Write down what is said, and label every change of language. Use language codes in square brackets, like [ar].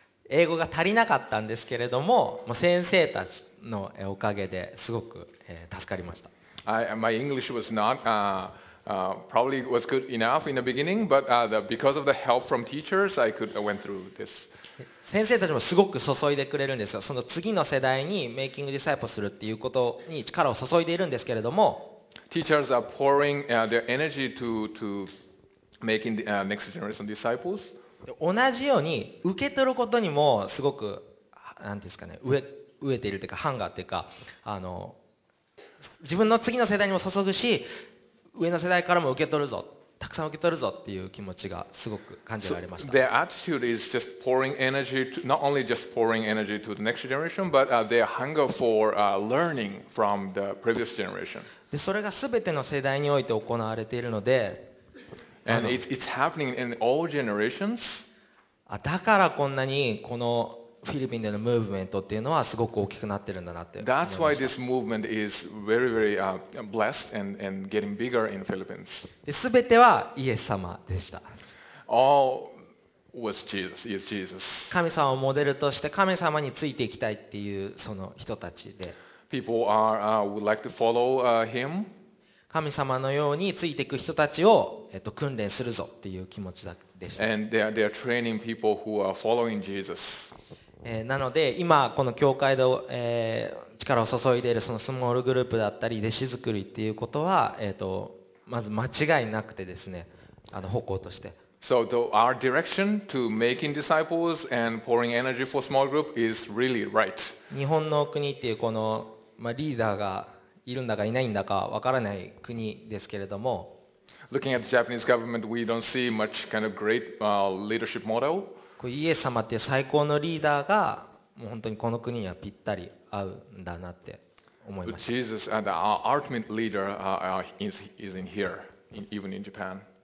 [ja] 英語が足りなかったんですけれども、先生たちのおかげですごく助かりました。 [en] My English was not probably was good enough in the beginning, but because of the help from teachers, I could went through this. [ja] 先生たちもすごく注いでくれるんですよ。その次の世代にメイキングディサイポするっていうことに力を注いでいるんですけれども、 [en] teachers are pouring their energy to making the next generation disciples。 [ja] 同じように受け取ることにもすごく何ですかね、植えているというかハンガーというか、あの自分の次の世代にも注ぐし、上の世代からも受け取るぞ、たくさん受け取るぞっていう気持ちがすごく感じられました。 [en] Their attitude is just pouring energy to, not only just pouring energy to the next generation, but their hunger for learning from the previous generation. [ja] で、それが全ての世代において行われているので、 [en] And it's happening in all generations. [ja] だからこんなにこのフィリピンでのムーブメントっていうのはすごく大きくなってるんだなって思いました。 [en] That's why this movement is very, very blessed and getting bigger in Philippines. [ja] で、全てはイエス様でした。 [en] All was Jesus, is Jesus. [ja] 神様をモデルとして神様についていきたいっていうその人たちで。 [en] People are, would like to follow him. [ja] 神様のようについていく人たちを訓練するぞっていう気持ちでした。 [en] And they are training people who are following Jesus. [ja] なので今この教会で力を注いでいるそのスモールグループだったり弟子作りっていうことはまず間違いなくてですね、あの方向として、 [en] So our direction to making disciples and pouring energy for small group is really right. [ja] 日本の国っていうこのリーダーがいるんだかいないんだかわからない国ですけれども、 [en] Looking at the Japanese government, we don't see much kind of great leadership model. [ja] イエス様っていう最高のリーダーがもう本当にこの国にはぴったり合うんだなって思いました。 [en] Jesus and our ultimate leader is in here, even in Japan.